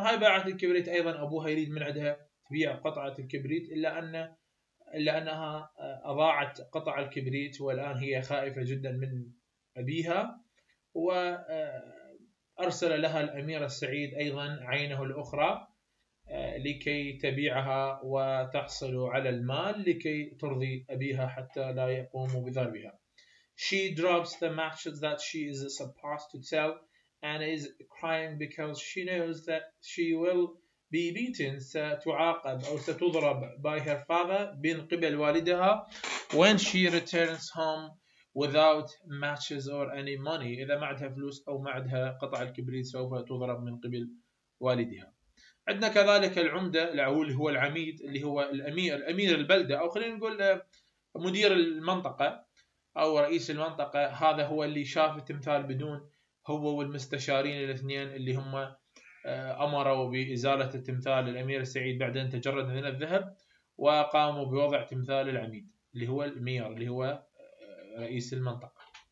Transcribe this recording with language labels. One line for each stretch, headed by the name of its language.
Arabic: هاي باعه الكبريت ايضا ابوها يريد من عندها تبيع قطعه الكبريت الا انها اضاعت قطعه الكبريت والان هي خائفه جدا من ابيها. وارسل لها الامير السعيد ايضا عينه الاخرى لكي تبيعها وتحصل على المال لكي ترضي أبيها حتى لا يقوموا بضربها.
English: She drops the matches that she is supposed to sell and is crying because she knows that she will be beaten,
Arabic: ستعاقب أو ستضرب
English: by her father
Arabic: من قبل والدها
English: when she returns home without matches or any money.
Arabic: إذا ما عندها فلوس أو ما عندها قطع الكبريت سوف تضرب من قبل والدها. عندنا كذلك العمدة اللي هو العميد اللي هو الأمير البلدة أو خلينا نقول مدير المنطقة أو رئيس المنطقة. هذا هو اللي شاف التمثال بدون هو والمستشارين الاثنين اللي هم أمروا بإزالة التمثال الأمير السعيد بعدين تجرد من الذهب وقاموا بوضع تمثال العميد اللي هو المير اللي هو رئيس المنطقة.